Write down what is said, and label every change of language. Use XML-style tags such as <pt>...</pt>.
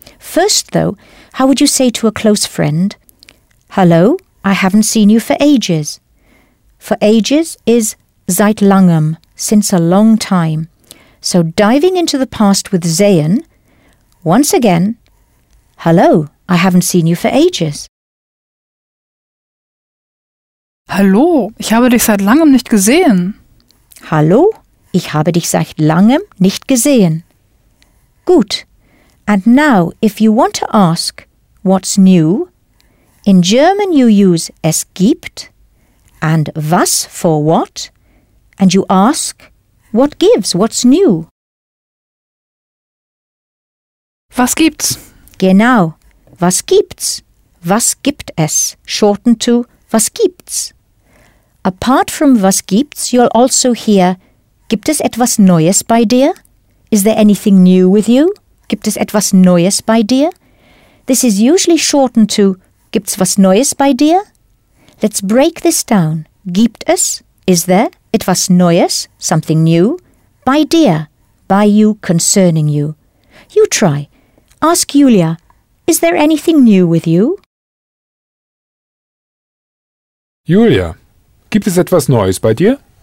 <en>First, though, how would you say to a close friend, "Hello, I haven't seen you for ages." For ages is</en> <de>seit langem,</de> <en>since a long time. So diving into the past with sehen, once again, "Hello, I haven't seen you for ages."</en> <de>Hallo, ich habe dich seit langem nicht gesehen. Hallo, ich habe dich seit langem nicht gesehen. Gut.</de> <en>And now, if you want to ask, what's new? In German you use</en> <de>es gibt</de> <en>and was for what? And you ask, what gives, what's new?</en> <de>Was gibt's? Genau, was gibt's? Was gibt es?</de> <en>Shortened to</en> <de>was gibt's?</de> <en>Apart from</en> <de>was gibt's,</de> <en>you'll also hear,</en> <de>gibt es etwas Neues bei dir?</de> <en>Is there anything new with you?</en> <de>Gibt es etwas Neues bei dir?</de> <en>This is usually shortened to</en> <de>gibt's was Neues bei dir?</de> <en>Let's break this down.</en> <de>Gibt es,</de> <en>is there,</en> <de>etwas Neues,</de> <en>something new,</en> <de>bei dir,</de> <en>by you, concerning you. You try. Ask Julia, is there anything new with you?</en> <de>Julia, gibt es etwas Neues bei dir?</de>